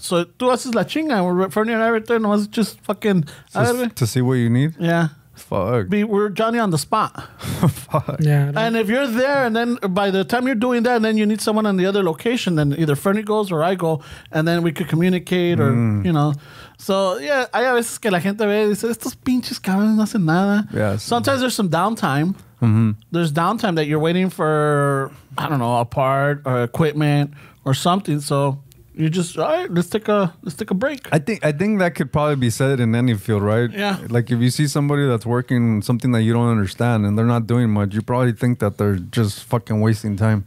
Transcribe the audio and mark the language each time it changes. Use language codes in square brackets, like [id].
[en] So [es] tú haces la chinga. [en] Fernie and I return. Was just fucking. To see what you need? Yeah. Fuck. We're Johnny on the spot. Fuck. Yeah. And if you're there, and then by the time you're doing that, and then you need someone on the other location, then either Fernie goes or I go, and then we could communicate or, you know. [es] So, yeah, hay a veces que la gente ve y dice, estos pinches cabrones no hacen nada. [en] Yeah. Sometimes there's some downtime. Mm-hmm. There's downtime that you're waiting for, I don't know, a part or equipment or something. So you just, all right, let's take a break. I think that could probably be said in any field, right? Yeah. Like if you see somebody that's working something that you don't understand and they're not doing much, you probably think that they're just fucking wasting time.